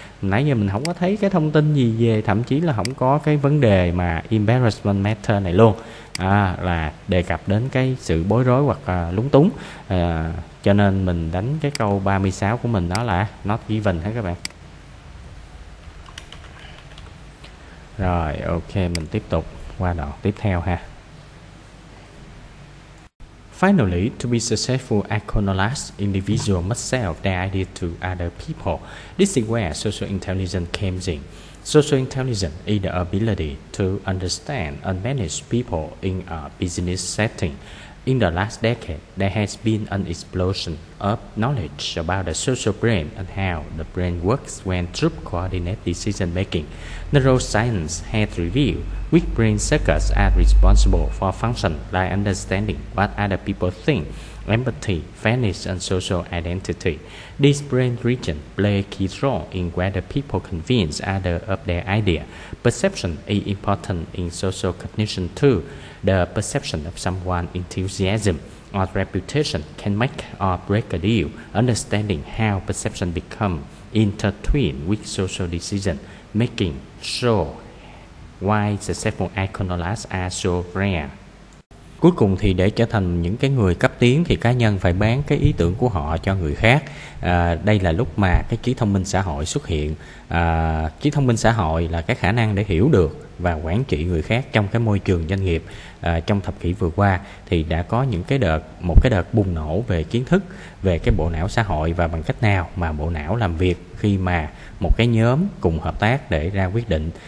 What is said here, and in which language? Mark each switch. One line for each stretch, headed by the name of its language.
Vietnamese: Nãy giờ mình không có thấy cái thông tin gì về, thậm chí là không có cái vấn đề mà embarrassment matter này luôn, là đề cập đến cái sự bối rối hoặc lúng túng. Cho nên mình đánh cái câu 36 của mình đó là not given hết các bạn. Rồi, ok, mình tiếp tục qua đoạn tiếp theo ha.
English: Finally, to be successful iconoclast, individual must sell their idea to other people. This is where social intelligence comes in. Social intelligence is the ability to understand and manage people in a business setting. In the last decade, there has been an explosion of knowledge about the social brain and how the brain works when troop coordinate decision making. Neuroscience has revealed which brain circuits are responsible for functions like understanding what other people think empathy, fairness and social identity. This brain region plays a key role in whether people convince others of their idea. Perception is important in social cognition too. The perception of someone's enthusiasm or reputation can make or break a deal. Understanding how perception becomes intertwined with social decision making shows why successful iconoclasts are so rare.
Vietnamese: Cuối cùng thì để trở thành những cái người cấp tiến thì cá nhân phải bán cái ý tưởng của họ cho người khác. Đây là lúc mà cái trí thông minh xã hội xuất hiện. Trí thông minh xã hội là cái khả năng để hiểu được và quản trị người khác trong cái môi trường doanh nghiệp. Trong thập kỷ vừa qua thì đã có những cái đợt, một cái đợt bùng nổ về kiến thức về cái bộ não xã hội và bằng cách nào mà bộ não làm việc khi mà một cái nhóm cùng hợp tác để ra quyết định.